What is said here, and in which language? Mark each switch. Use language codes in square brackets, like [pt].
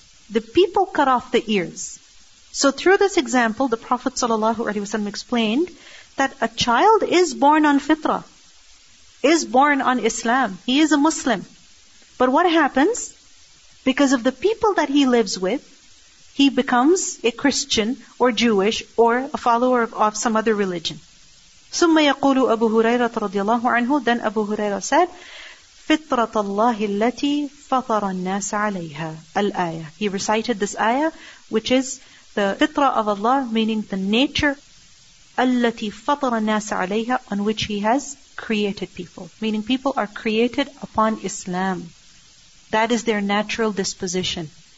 [en] The people cut off the ears. So through this example, the Prophet ﷺ explained that a child is born on fitrah, is born on Islam. He is a Muslim. But what happens? Because of the people that he lives with, he becomes a Christian or Jewish or a follower of some other religion. [ar] ثم يقول أبو هريرة رضي الله عنه [en] Then Abu Huraira said, [ar] فطرة الله التي فطر الناس عليها الآية. [en] He recited this ayah, which is the fitra of Allah, meaning the nature [ar] التي فطر الناس عليها, [en] on which He has created people. Meaning people are created upon Islam. That is their natural disposition.